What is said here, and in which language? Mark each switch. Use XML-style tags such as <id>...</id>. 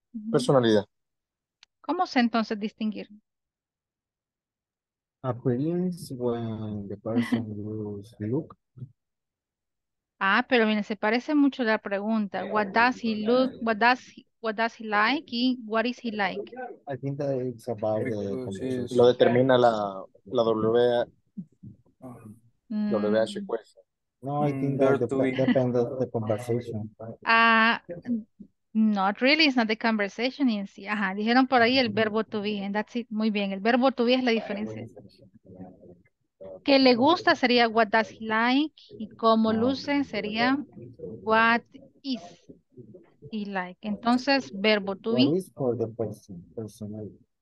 <es>Personalidad. ¿Cómo sé entonces distinguir?</es> <en>Appearance when the person looks look.</en> <es>Ah, pero mire, se parece mucho la pregunta.</es> <en>What does he look, what does he like y what is he like? I think that it's about the</en> <es>lo determina la WH question.</es> <en>No, I think that depends on the conversation. Not really, it's not the conversation in sí.</en> <es>Ajá, dijeron por ahí el verbo to be,</es> <en>and that's it.</en> <es>Muy bien, el verbo to be es la diferencia. ¿Qué le gusta? Sería</es> <en>what does he like,</en> <es>y cómo luce sería</es> <en>what is he like.</en> <es>Entonces, verbo to be.</es> <en>What is for the person, personally.</en>